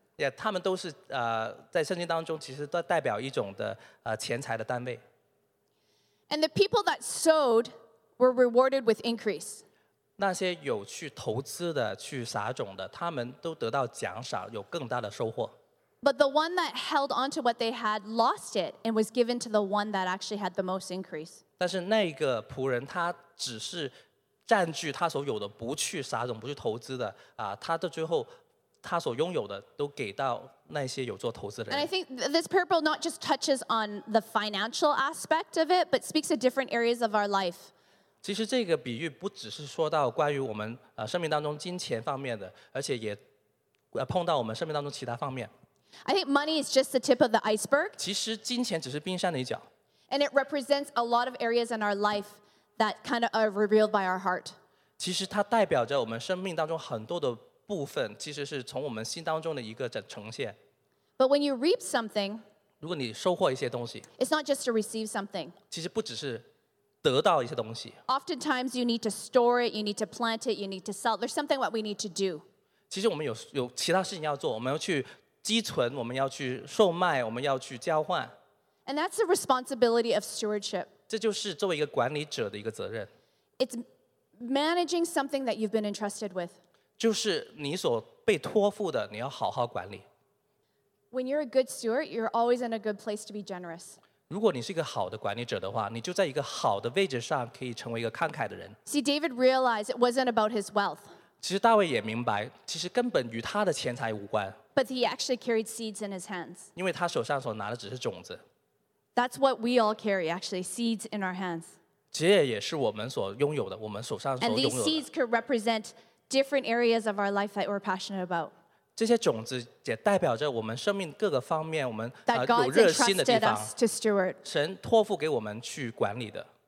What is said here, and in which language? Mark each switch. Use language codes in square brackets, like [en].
[zh] Yeah, 他们都是在圣经当中其实都代表一种的钱财的单位。 [en] And the people that sowed were rewarded with increase. [zh] 那些有去投资的、去撒种的，他们都得到奖赏，有更大的收获。 [en] But the one that held onto what they had lost it and was given to the one that actually had the most increase. [zh] 但是那个仆人他只是占据他所有的，不去撒种、不去投资的啊，他的最后他所拥有的都给到那些有做投资的人。 [en] And I think this parable not just touches on the financial aspect of it, but speaks of different areas of our life. [zh] 其实这个比喻不只是说到关于我们生命当中金钱方面的，而且也碰到我们生命当中其他方面。 [en] I think money is just the tip of the iceberg. [zh] 其实金钱只是冰山的一角。 [en] And it represents a lot of areas in our life that kind of are revealed by our heart. [zh] 其实它代表着我们生命当中很多的部分，其实是从我们心当中的一个呈现。 [en] But when you reap something, [zh] 如果你收获一些东西， [en] it's not just to receive something. [zh] 其实不只是得到一些东西。 [en] Oftentimes, you need to store it, you need to plant it, you need to sell. There's something that we need to do. [zh] 其实我们有其他事情要做，我们要去积存，我们要去售卖，我们要去交换。 [en] And that's the responsibility of stewardship. [zh] 这就是作为一个管理者的一个责任。 [en] It's managing something that you've been entrusted with. [zh] 就是你所被托付的，你要好好管理。 [en] When you're a good steward, you're always in a good place to be generous. [zh] 如果你是一个好的管理者的话，你就在一个好的位置上可以成为一个慷慨的人。 [en] See, David realized it wasn't about his wealth. [zh] 其实大卫也明白，其实根本与他的钱财无关。 [en] But he actually carried seeds in his hands. [zh] 因为他手上所拿的只是种子。 [en] That's what we all carry, actually, seeds in our hands. [zh] 这也是我们所拥有的，我们手上所拥有的。 [en] And these seeds could represent different areas of our life that we're passionate about. [zh] 这些种子也代表着我们生命各个方面，我们有热心的地方。神托付给我们去管理的。